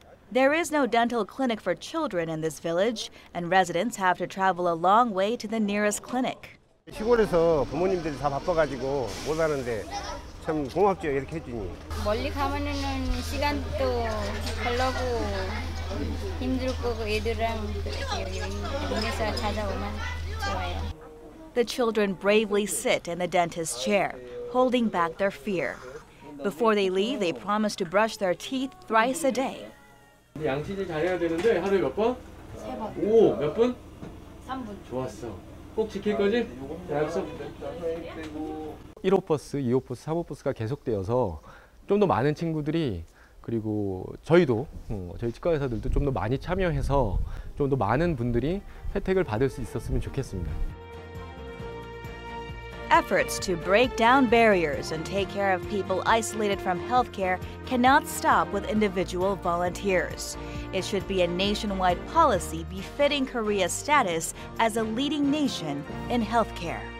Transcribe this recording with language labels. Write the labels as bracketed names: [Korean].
[English] There is no dental clinic for children in this village, and residents have to travel a long way to the nearest clinic. [Korean] 시골에서 부모님들이 다 바빠가지고 못 하는데 참 고맙죠 이렇게 해주니. 멀리 가면은 시간도 걸러고 힘들 거고 애들랑 동네에서 찾아오면 좋아요. [English] The children bravely sit in the dentist's chair, holding back their fear. Before they leave, they promise to brush their teeth thrice a day. [Korean] 양치질 잘 해야 되는데 하루에 몇 번? 세 번. 오, 몇 분? 3분. 좋았어. 꼭 지킬 거지? 약속. 1호 버스, 2호 버스, 3호 버스가 계속되어서 좀 더 많은 친구들이 그리고 저희도 저희 치과 의사들도 좀 더 많이 참여해서 좀 더 많은 분들이 혜택을 받을 수 있었으면 좋겠습니다. [English] Efforts to break down barriers and take care of people isolated from healthcare cannot stop with individual volunteers. It should be a nationwide policy befitting Korea's status as a leading nation in healthcare.